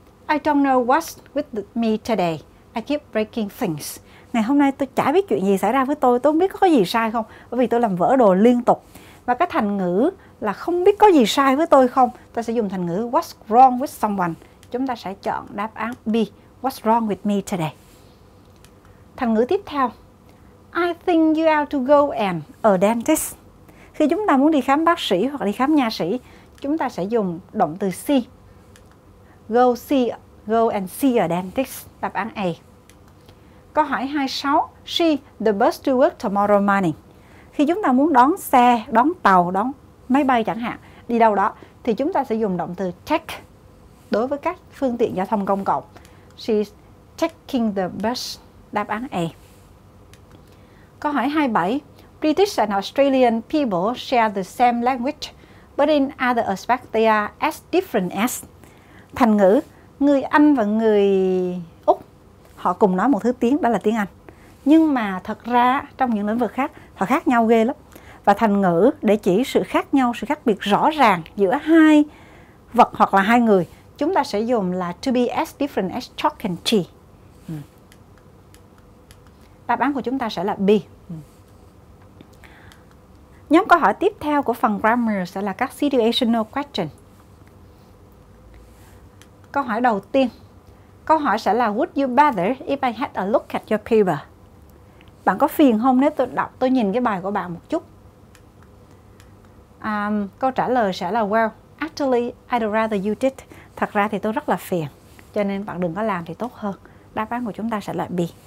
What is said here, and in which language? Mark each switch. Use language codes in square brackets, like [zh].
[en] I don't know what's with me today. I keep breaking things. [vi] Ngày hôm nay tôi chả biết chuyện gì xảy ra với tôi không biết có gì sai không, bởi vì tôi làm vỡ đồ liên tục. Và cái thành ngữ là không biết có gì sai với tôi không, ta sẽ dùng thành ngữ [en] what's wrong with someone. [vi] Chúng ta sẽ chọn đáp án B, [en] What's wrong with me today? [vi] Thành ngữ tiếp theo, [en] I think you ought to go and a dentist. [vi] Khi chúng ta muốn đi khám bác sĩ hoặc đi khám nha sĩ, chúng ta sẽ dùng động từ see. [en] Go and see a dentist. [vi] Đáp án A. Câu hỏi 26, [en] she the bus to work tomorrow morning. [vi] Khi chúng ta muốn đón xe, đón tàu, đón máy bay chẳng hạn, đi đâu đó, thì chúng ta sẽ dùng động từ take đối với các phương tiện giao thông công cộng. [en] She's taking the bus. [vi] Đáp án A. Câu hỏi 27. [en] British and Australian people share the same language, but in other aspects they are as different as. [vi] Thành ngữ, người Anh và người Úc, họ cùng nói một thứ tiếng, đó là tiếng Anh. Nhưng mà thật ra trong những lĩnh vực khác, họ khác nhau ghê lắm. Và thành ngữ để chỉ sự khác nhau, sự khác biệt rõ ràng giữa hai vật hoặc là hai người, chúng ta sẽ dùng là [en] to be as different as chalk and cheese. [vi] Đáp án của chúng ta sẽ là B. Nhóm câu hỏi tiếp theo của phần grammar sẽ là các situational question. Câu hỏi đầu tiên. Câu hỏi sẽ là [en] would you bother if I had a look at your paper? [vi] Bạn có phiền không nếu tôi đọc, tôi nhìn cái bài của bạn một chút? Câu trả lời sẽ là [en] well, actually, I'd rather you did. [vi] Thật ra thì tôi rất là phiền, cho nên bạn đừng có làm thì tốt hơn. Đáp án của chúng ta sẽ là B.